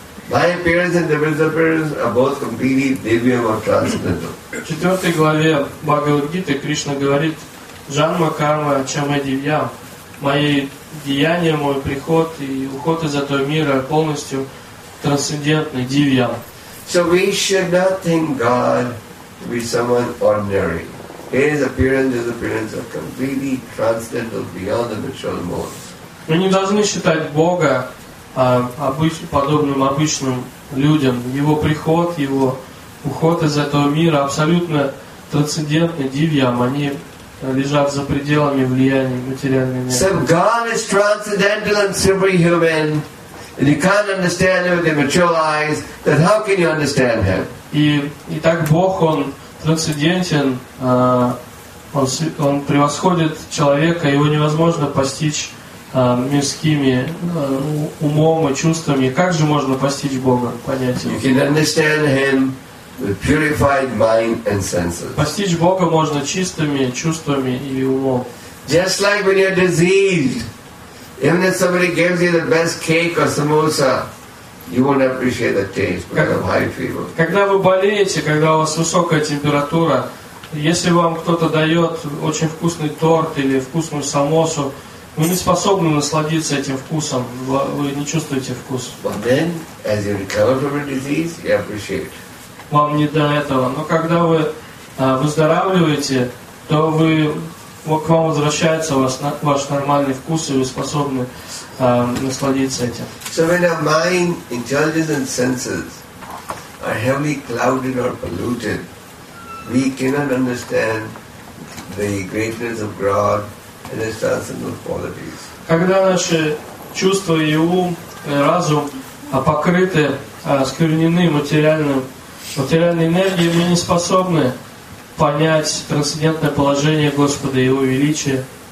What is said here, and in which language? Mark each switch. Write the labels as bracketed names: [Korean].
[English] My appearance and divine appearance are both completely divyam or transcendental. [Russian] В четвертой главе Бхагавад Гиты Кришна говорит: [Sanskrit] "Джанма карма чама дивьям. [Russian] Мои деяния, мой приход и уход из этого мира полностью трансцендентны, дивьям." [English] So we should not think God to be someone ordinary. His appearance is appearance of completely transcendental, beyond the material mode. [Russian] Мы не должны считать Бога подобным обычным людям. Его приход, его уход из этого мира абсолютно трансцендентны, дивьям. Они лежат за пределами влияния материальной энергии. [English] So God is transcendental and superhuman. And you can't understand him with your material eyes, then how can you understand him? [Russian] И так Бог, он трансцендентен, он превосходит человека, его невозможно постичь мирскими умом и чувствами. Как же можно постичь Бога, понять его? [English] You can understand him with purified mind and senses. [Russian] Постичь Бога можно чистыми чувствами или умом. [English] Just like when you're diseased, even if somebody gives you the best cake or samosa, you won't appreciate the taste because of high fever. [Russian] Когда вы болеете, когда у вас высокая температура, если вам кто-то дает очень вкусный торт или вкусную самосу, вы не способны насладиться этим вкусом, вы не чувствуете вкус. [English] But then, as you recover from a disease, you appreciate. [Russian] Вам не до этого. Но когда вы выздоравливаете, то вы к вам возвращается ваш нормальный вкус, и вы способны насладиться этим. [English] So when our mind, intelligence and senses are heavily clouded or polluted, we cannot understand the greatness of God and His transcendental qualities. [Russian] Когда наши чувства и ум, и разум покрыты, осквернены материальной энергией, мы не способны понять трансцендентное положение Господа и Его величия.